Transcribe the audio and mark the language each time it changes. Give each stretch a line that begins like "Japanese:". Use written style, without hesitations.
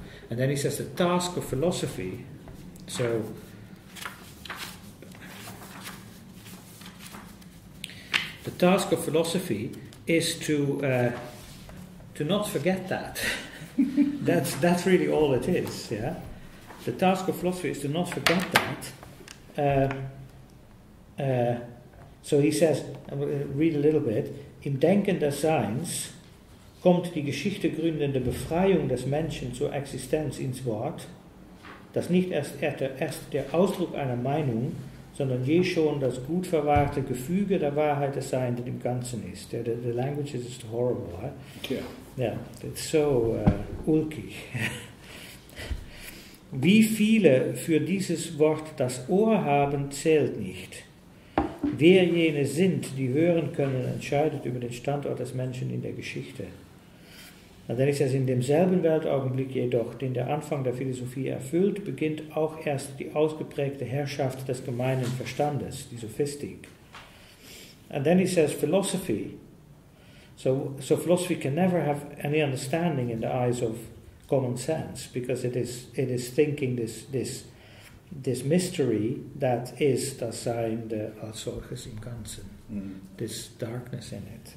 English: And then he says the task of philosophy, so the task of philosophy is to not forget that. that's really all it is, yeah? The task of philosophy is to not forget that. So he says, read a little bit,
German: im Denken der Seins kommt die Geschichte gründende Befreiung des Menschen zur Existenz ins Wort, das nicht erst der Ausdruck einer Meinung, sondern je schon das gut verwahrte Gefüge der Wahrheit des Seins, der im Ganzen ist.
English: The language is just horrible, right? Yeah. Yeah, it's so ulkig.
German: Wie viele für dieses Wort das Ohr haben, zählt nicht. Wer jene sind, die hören können, entscheidet über den Standort des Menschen in der Geschichte. Und dann ist es in demselben Weltaugenblick jedoch, den der Anfang der Philosophie erfüllt, beginnt auch erst die ausgeprägte Herrschaft des gemeinen Verstandes, die Sophistik.
English: And then he says philosophy. So philosophy can never have any understanding in the eyes of common sense, because it is thinking this mystery that is
German: das Sein der Allsorges im Ganzen,
English: this darkness in it.